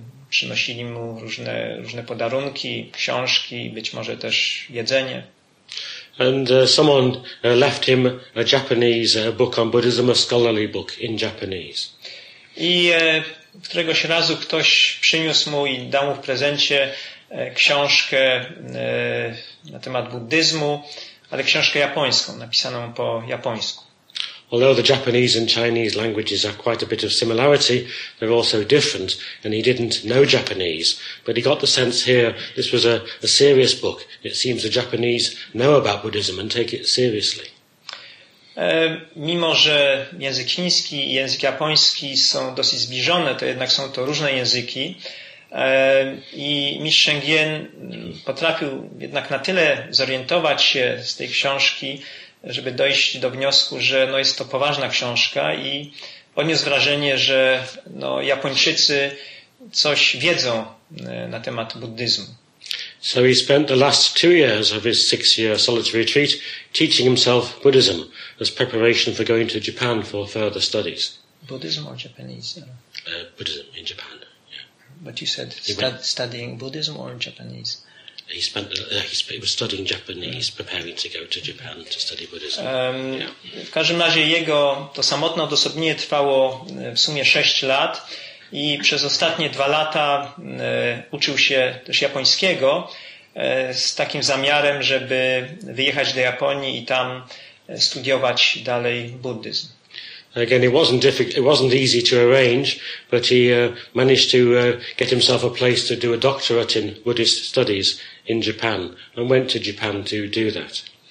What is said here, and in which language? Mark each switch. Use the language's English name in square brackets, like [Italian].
[Polish] Przynosili mu różne podarunki, książki, być może też jedzenie. [English] And someone left him a Japanese book on Buddhism, a scholarly book in Japanese. [Polish] I któregoś razu ktoś przyniósł mu i dał mu w prezencie książkę na temat buddyzmu, ale książkę japońską, napisaną po japońsku. [English] Although the Japanese and Chinese languages have quite a bit of similarity, they're also different, and he didn't know Japanese, but he got the sense here this was a serious book. It seems the Japanese know about Buddhism and take it seriously. [Polish] Mimo że język chiński i język japoński są dosyć zbliżone, to jednak są to różne języki. I mistrz Shengyen potrafił jednak na tyle zorientować się z tej książki, żeby dojść do wniosku, że no jest to poważna książka i odniósł wrażenie, że no Japończycy coś wiedzą na temat buddyzmu. [English] So he spent the last 2 years of his 6-year solitary retreat teaching himself Buddhism as preparation for going to Japan for further studies. Buddhism or Japanese? Buddhism in Japan, yeah. But you said studying Buddhism or Japanese? He was studying Japanese, preparing to go to Japan to study Buddhism. [Polish] W każdym razie jego to samotne odosobnienie trwało w sumie 6 lat i przez ostatnie 2 lata uczył się też japońskiego z takim zamiarem, żeby wyjechać do Japonii i tam studiować dalej buddyzm. [English] Again, it wasn't easy to arrange, but he managed to get himself a place to do a doctorate in Buddhist studies in Japan, and went to Japan to do that.